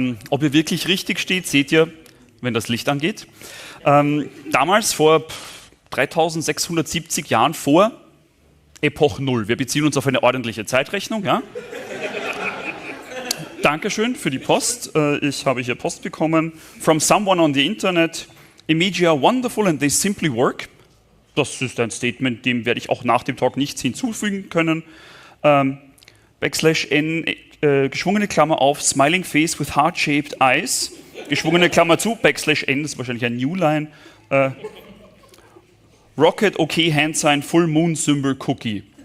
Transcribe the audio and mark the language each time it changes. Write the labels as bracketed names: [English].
[German] Ob ihr wirklich richtig steht, seht ihr, wenn das Licht angeht. Damals vor 3670 Jahren vor Epoch Null. Wir beziehen uns auf eine ordentliche Zeitrechnung, ja? Dankeschön für die Post. Ich habe hier Post bekommen. [English] From someone on the internet. Emoji are wonderful and they simply work. [German] Das ist ein Statement, dem werde ich auch nach dem Talk nichts hinzufügen können. [English] / N, [German] geschwungene Klammer auf, [English] smiling face with heart-shaped eyes. [German] Geschwungene Klammer zu, / N, das ist wahrscheinlich ein New Line. [English] Rocket, okay, Hand Sign, Full Moon, Symbol, Cookie.